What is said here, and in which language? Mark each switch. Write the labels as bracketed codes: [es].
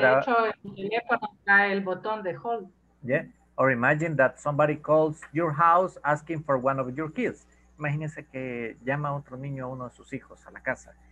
[es] De hecho, el teléfono está el botón de hold. Yeah? [en] Or imagine that somebody calls your house asking for one of your kids. [es] Imagínese que llama a otro niño a uno de sus hijos a la casa.